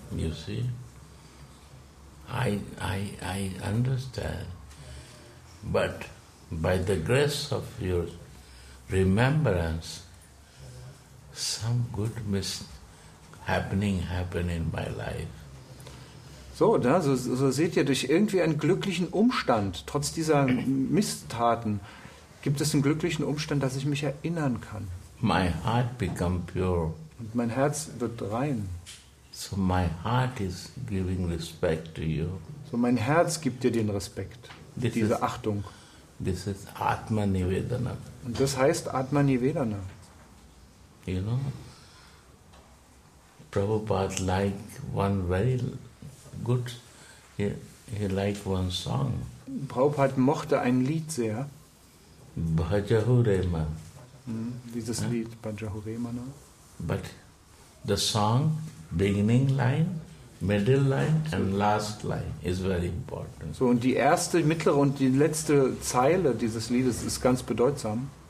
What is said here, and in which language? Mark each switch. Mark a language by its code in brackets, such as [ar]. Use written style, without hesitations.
[en] You see, I understand, but by the grace of your remembrance, some good happening in my life. [de] So, da, so seht ihr, durch irgendwie einen glücklichen Umstand, trotz dieser Misstaten, gibt es einen glücklichen Umstand, dass ich mich erinnern kann. [en] My heart become pure. [de] Und mein Herz wird rein. [en] So my heart is giving respect to you. [de] So mein Herz gibt dir den Respekt, diese Achtung. [en] This is Atma Nivedana. [de] Und das heißt Atma Nivedana. [en] You know, Prabhupada like one very good, he liked one song. [de] Prabhupada mochte ein Lied sehr. Bhajahurema. Dieses Lied, Bhajahuremana. [en] But the song, beginning line, middle line and last line is very important. [de] So, und die erste, mittlere und die letzte Zeile dieses Liedes ist ganz bedeutsam.